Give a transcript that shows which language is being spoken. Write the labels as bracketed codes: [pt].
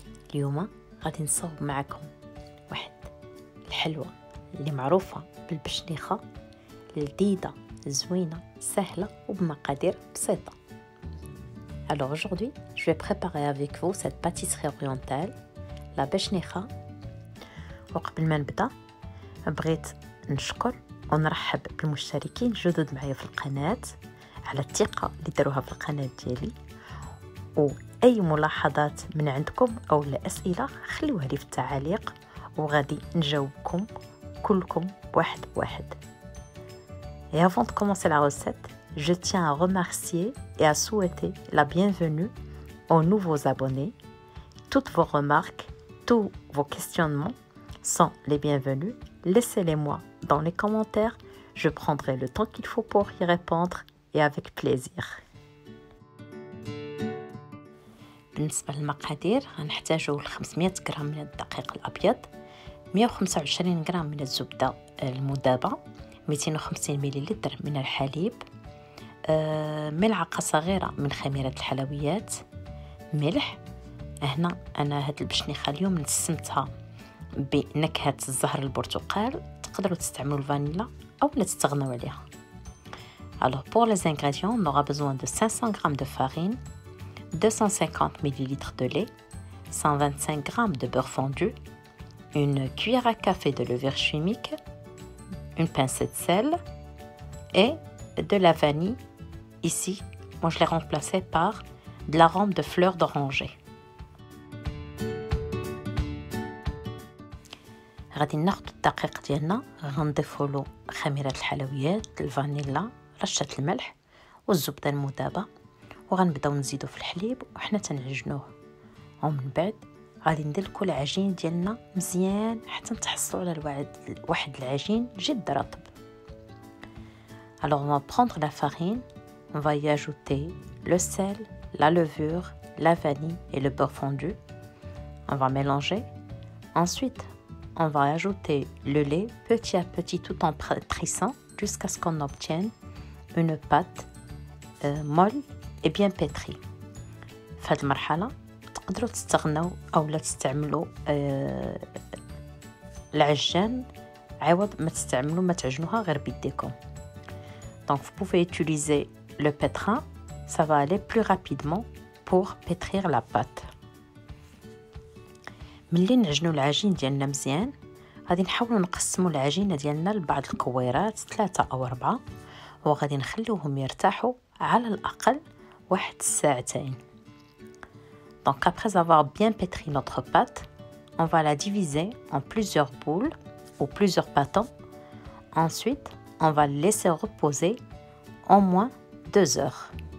[ar] اليوم غادي نصاوب معكم واحد الحلوة اللي معروفة بالبشنيخة، لذيذة زوينة سهلة وبمقادير بسيطة. [fr] Alors aujourd'hui, je vais préparer avec vous cette pâtisserie orientale, la بشنيخة. [ar] وقبل ما نبدأ، بغيت نشكر ونرحب بالمشتركين الجدد معايا في القناة على الثقة اللي داروها في القناة ديالي، وأي ملاحظات من عندكم أو أسئلة خلوها لي في التعاليق وغادي نجاوبكم كلكم واحد واحد. [fr] Et avant de commencer la recette, je tiens à remercier et à souhaiter la bienvenue aux nouveaux abonnés. Toutes vos remarques, tous vos questionnements sont les bienvenus. Laissez-les-moi dans les commentaires, je prendrai le temps qu'il faut pour y répondre et avec plaisir. [ar] بالنسبة للمقادير، غنحتاجو 500 غرام من الدقيق الأبيض، 125 غرام من الزبدة المذابة، 250 مليلتر من الحليب، ملعقة صغيرة من خميرة الحلويات، ملح. هنا أنا هاد البشنيخة اليوم نسمتها بنكهة الزهر البرتقال، تقدروا تستعملوا الفانيلا أو لا تستغنوا عليها. [fr] Alors pour les ingrédients, on aura besoin de 500 g de farine, 250 ml de lait, 125 g de beurre fondu, une cuillère à café de levure chimique, une pincée de sel et de la vanille. Ici, moi je l'ai remplacée par de l'arôme de fleur d'oranger. [ar] غادي ناخذ الدقيق ديالنا، غنضيفوا له خميره الحلويات، الفانيلا، رشة الملح والزبدة المذابة، وغنبداو نزيدو في الحليب وحنا تنعجنوه. ومن بعد غادي ندلكو العجين ديالنا مزيان حتى نتحصلو على واحد العجين جد رطب. [fr] Alors on va prendre la farine, on va y ajouter le sel, la levure, la vanille et le beurre fondu. On va mélanger. Ensuite, on va ajouter le lait petit à petit tout en pétrissant jusqu'à ce qu'on obtienne une pâte molle et bien pétrie. [ar] Fait marhala, تقدروا تستغناو أو لا تستعملوا العجان عوض ما تستعملوا ما تعجنوها غير بيديكم. [fr] Donc vous pouvez utiliser le pétrin, ça va aller plus rapidement pour pétrir la pâte. [ar] ملي نعجنوا العجين ديالنا مزيان، غادي نحاولوا نقسموا العجينة ديالنا لبعض الكويرات، ثلاثة أو أربعة، وغادي نخليوهم يرتاحوا على الأقل واحد ساعتين. [fr] Donc après avoir bien pétri notre pâte, on va la diviser en plusieurs boules ou plusieurs bâtons. Ensuite, on va laisser reposer au moins 2 heures.